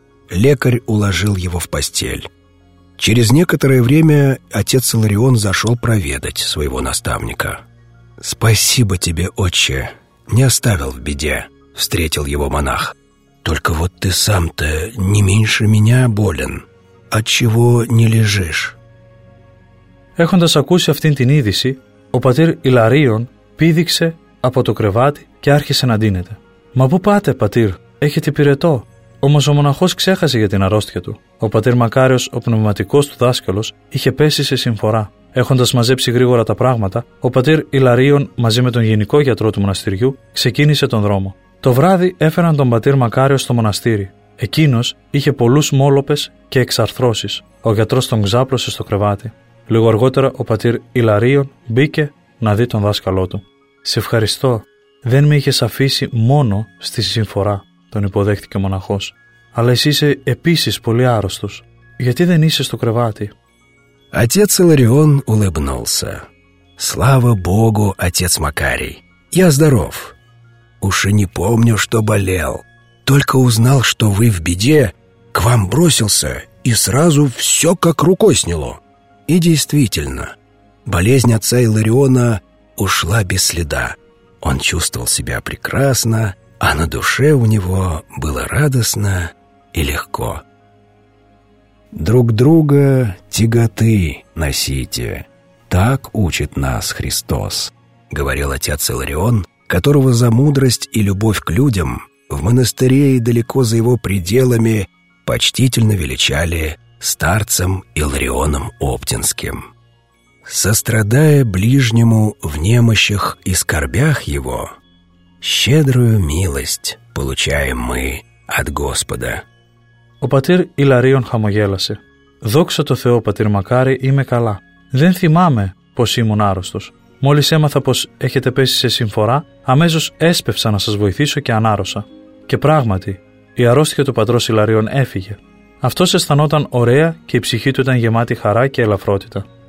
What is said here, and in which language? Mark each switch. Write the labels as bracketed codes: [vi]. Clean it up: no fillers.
[ru] Лекарь уложил его в постель. Через некоторое время отец Иларион зашел проведать своего наставника. «Спасибо тебе, отче, не оставил в беде», — встретил его монах. «Только вот ты сам-то не меньше меня болен. Отчего не лежишь?» [el] Έχοντας ακούσει αυτήν την είδηση, ο πατήρ Ιλαρίων πήδηξε από το κρεβάτι και άρχισε να ντύνεται. «Μα πού πάτε, πατήρ, έχετε πυρετό?» Όμως ο μοναχός ξέχασε για την αρρώστια του. Ο πατήρ Μακάριος, ο πνευματικός του δάσκαλος, είχε πέσει σε συμφορά. Έχοντας μαζέψει γρήγορα τα πράγματα, ο πατήρ Ιλαρίων μαζί με τον γενικό γιατρό του μοναστηριού ξεκίνησε τον δρόμο. Το βράδυ έφεραν τον πατήρ Μακάριο στο μοναστήρι. Εκείνος είχε πολλούς μόλοπες και εξαρθρώσεις. Ο γιατρός τον ξάπλωσε στο κρεβάτι. Λίγο αργότερα ο πατήρ Ιλαρίων μπήκε να δει τον δάσκαλό του. «Σε ευχαριστώ. Δεν με είχες αφήσει μόνο στη συμφορά», τον υποδέχτηκε ο μοναχός. «Αλλά εσύ είσαι επίσης πολύ άρρωστος. Γιατί δεν είσαι στο κρεβάτι?» [ru] Отец Иларион улыбнулся. «Слава Богу, отец Макарий! Я здоров! Уж и не помню, что болел. Только узнал, что вы в беде, к вам бросился, и сразу все как рукой сняло. И действительно, болезнь отца Илариона ушла без следа. Он чувствовал себя прекрасно, а на душе у него было радостно и легко. Друг друга тяготы носите, так учит нас Христос», — говорил отец Иларион, которого за мудрость и любовь к людям в монастыре и далеко за его пределами почтительно величали старцем Иларионом Оптинским. «Сострадая ближнему в немощах и скорбях его, щедрую милость получаем мы от Господа». [el] Ο πατήρ Ιλαρίων χαμογέλασε. «Δόξα τω Θεώ, πατήρ Μακάρη, είμαι καλά. Δεν θυμάμαι πως ήμουν άρρωστος. Μόλις έμαθα πως έχετε πέσει σε συμφορά, αμέσως έσπευσα να σας βοηθήσω και ανάρρωσα. Και πράγματι, η αρρώστια του πατρός Ιλαρίων έφυγε. Αυτός αισθανόταν ωραία και η ψυχή του ήταν γεμάτη χαρά και ελαφρότητα.